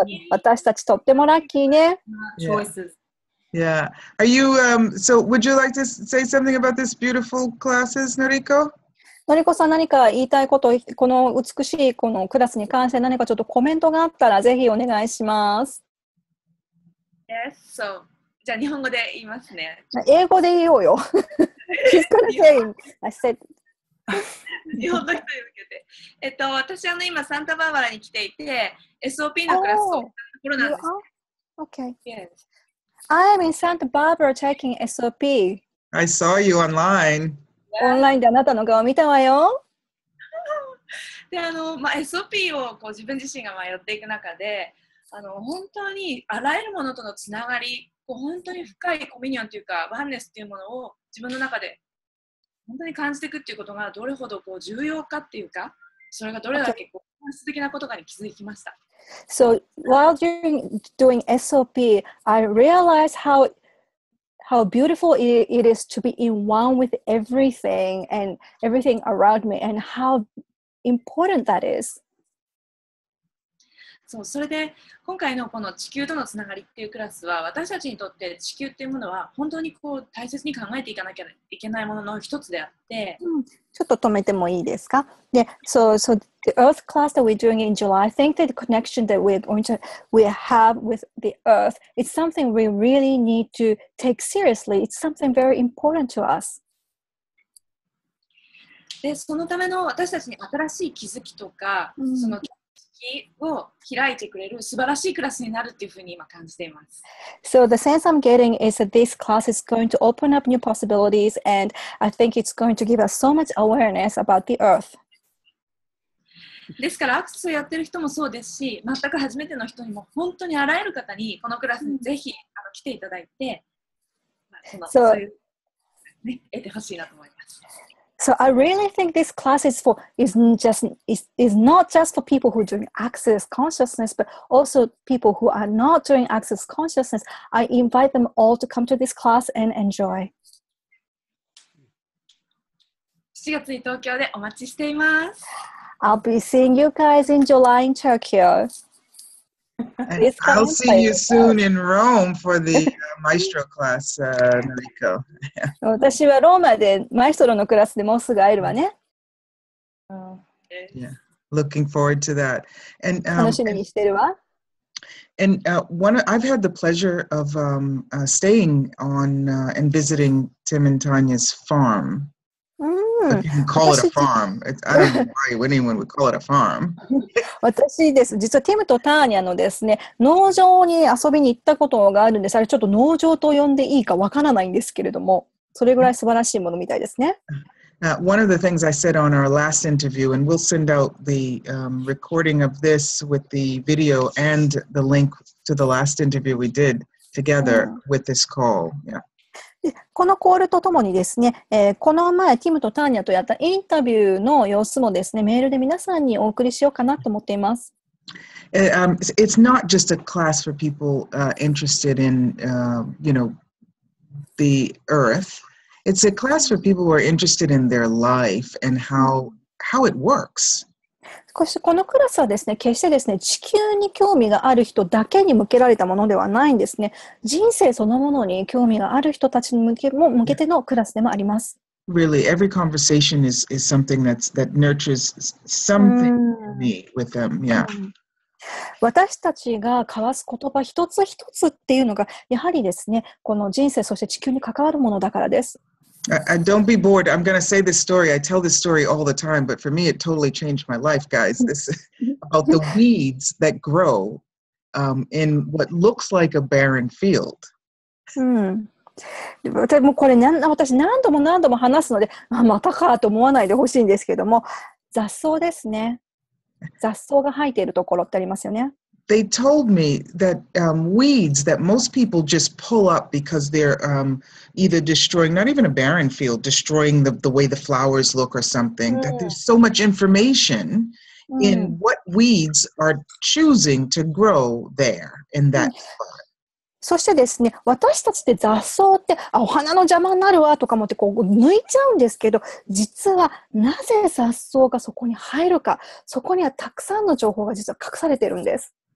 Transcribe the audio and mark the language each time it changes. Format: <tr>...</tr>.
<ja>私たちとってもラッキーね。</ja> <en>Yeah. Yeah. Are you, so would you like to say something about this beautiful classes, Noriko?</en> <ja>Noriko さん、何か言いたいこと、この美しいこのクラスに関して何かちょっとコメントがあったらぜひお願いします。</ja> <en>Yes, so,</en> <ja>じゃあ日本語で言いますね。英語で言おうよ。</ja> <en>She's gonna say, I said,</en> <ja>日本の人に向けて、私は今サンタバーバラに来ていて、SOP のクラスところなんです。</ja> <en>Okay. Yes. I'm in Santa Barbara taking SOP. I saw you online.</en> <ja>オンラインであなたの顔見たわよ。で、SOP をこう自分自身が迷っていく中で、本当にあらゆるものとのつながり、こう本当に深いコミュニオンというか、ワンネスというものを自分の中で本当に感じていくっていうことがどれほどこう重要かっていうか、それがどれだけこう本質的なことかに気づきました。</ja> <en>So while doing SOP, I realized how beautiful it is to be in one with everything and everything around me, and how important that is.</en> <ja>So, それで今回のこの地球とのつながりっていうクラスは、私たちにとって地球っていうものは本当にこう大切に考えていかなきゃいけないものの一つであって、ちょっと止めてもいいですか？</ja> <en>で、so the Earth class that we're doing in July, I think that the connection that we have with the Earth, it's something we really need to take seriously. It's something very important to us.</en> <ja>で、そのための私たちに新しい気づきとか、その</ja> <en>So the sense I'm getting is that this class is going to open up new possibilities, and I think it's going to give us so much awareness about the Earth.</en> <ja>ですからアクセスをやってる人もそうですし、全く初めての人にも本当にあらゆる方にこのクラスにぜひ来ていただいて、そういう、ね、得てほしいなと思います。</ja> <en>So I really think this class is not just for people who are doing access consciousness, but also people who are not doing access consciousness. I invite them all to come to this class and enjoy.</en> <ja>7月に東京でお待ちしています。</ja> <en>I'll be seeing you guys in July in Tokyo. I'll see you soon in Rome for the maestro class, Noriko.</en> <ja>私はローマでマイストロのクラスでもうすぐ会えるわね。</ja> <en>Looking forward to that.</en> <ja>And, 楽しみにしてるわ。</ja> <en>And I've had the pleasure of staying on and visiting Tim and Tanya's farm. You can call it a farm. I don't know why anyone would call it a farm.</en> <ja>私です。実はティムとターニャのですね、農場に遊びに行ったことがあるんです。あれちょっと農場と呼んでいいかわからないんですけれども、それぐらい素晴らしいものみたいですね。</ja> <en>One of the things I said on our last interview, and we'll send out the recording of this with the video and the link to the last interview we did together with this call. Yeah.</en> <ja>このコールとともにですね、この前ティムとターニャとやったインタビューの様子もですね、メールで皆さんにお送りしようかなと思っています。</ja> <en>It's not just a class for people interested in, you know, the earth. It's a class for people who are interested in their life and how it works.</en> <ja>このクラスはですね、決してですね、地球に興味がある人だけに向けられたものではないんですね。人生そのものに興味がある人たちに向けてのクラスでもあります。</ja> <en>Really, every conversation is something that nurtures something me with them, yeah.</en> <ja>私たちが交わす言葉一つ一つっていうのが、やはりですね、この人生そして地球に関わるものだからです。</ja> <en>And don't be bored. I'm going to say this story. I tell this story all the time, but for me, it totally changed my life, guys. This about the weeds that grow in what looks like a barren field.</en> <ja>もうこれ私何度も何度も話すので、またかと思わないでほしいんですけども、雑草ですね。雑草が生えているところってありますよね。</ja> <en>They told me that weeds that most people just pull up because they're either destroying, not even a barren field, destroying the way the flowers look or something, that there's so much information in what weeds are choosing to grow there in that spot.</en> <ja>そしてですね、私たちって雑草ってあお花の邪魔になるわとか思ってこう抜いちゃうんですけど、実はなぜ雑草がそこに入るか、そこにはたくさんの情報が実は隠されているんです。</ja>